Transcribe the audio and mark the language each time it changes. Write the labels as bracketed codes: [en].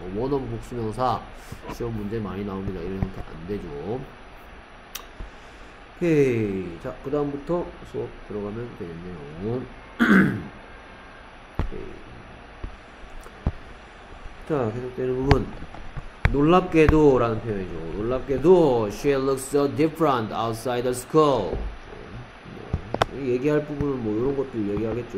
[ko] one of 복수명사 시험 문제 많이 나옵니다. 이런 형태 안 되죠. 오케이. 자, 그 다음부터 수업 들어가면 되겠네요. 자, 계속되는 부분. 놀랍게도라는 표현이죠. 놀랍게도, [en] she looks so different outside the school. [ko] 얘기할 부분은 뭐 이런 것들 얘기하겠죠.